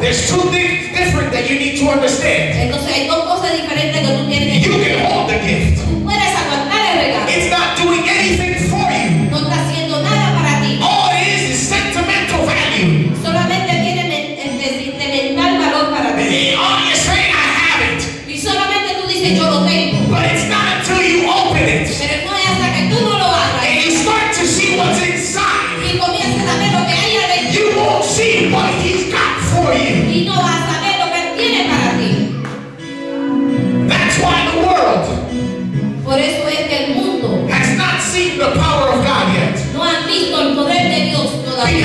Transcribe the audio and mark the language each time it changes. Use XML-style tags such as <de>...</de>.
<en>There's two things different that you need to understand.</en> <es>Entonces, hay dos cosas diferentes que tú tienes que</es> <en>you can hold the gift.</en> <es>Tú puedes aguantar el regalo.</es> <en>It's not doing anything for you.</en> <es>No está haciendo nada para ti.</es> <en>All it is sentimental value.</en> <es>Solamente tiene sentimental valor para ti.</es> <en>All you're saying, I have it.</en> <es>Y solamente tú dices, yo lo tengo.</es> <en>But it's not until you open it.</en> <es>Pero no es hasta que tú no lo abras.</es> <en>And you start to see what's inside.</en> <es>Y comienzas a ver lo que hay adentro.</es> <en>You won't see what he's got for you.</en> <es>Y no vas a ver lo que tiene para ti.</es> <en>That's why the world</en> <es>por eso es que el mundo</es> <en>has not seen the power of God yet.</en> <es>No han visto el poder de Dios todavía.</es>